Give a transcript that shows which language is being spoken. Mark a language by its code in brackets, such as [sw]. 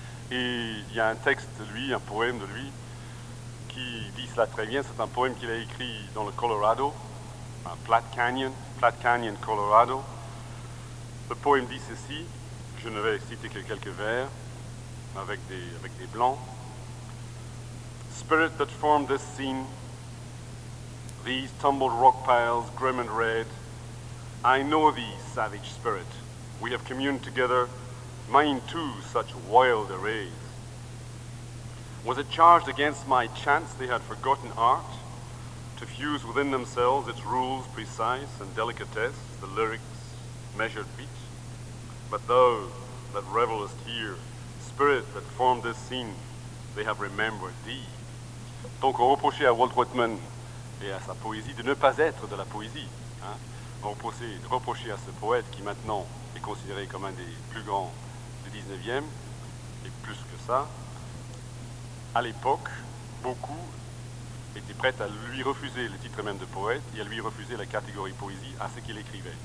[fr] Et il y a un texte de lui, un poème de lui, qui dit cela très bien. C'est un poème qu'il a écrit dans le Colorado, un Platte Canyon, Colorado. Le poème dit ceci, je ne vais citer que quelques vers, avec des blancs. [en] Spirit that formed this scene, these tumbled rock piles, grim and red, I know thee, savage spirit, we have communed together, mine too, such wild arrays. Was it charged against my chance they had forgotten art? To fuse within themselves its rules precise and delicatesse, the lyrics measured beat. But thou that revelest here, spirit that formed this scene, they have remembered thee. [fr] Donc on reprochait à Walt Whitman et à sa poésie de ne pas être de la poésie. Hein? On reprochait à ce poète qui maintenant est considéré comme un des plus grands du 19e, et plus que ça, à l'époque, beaucoup était prête à lui refuser le titre même de poète et à lui refuser la catégorie poésie à ce qu'il écrivait.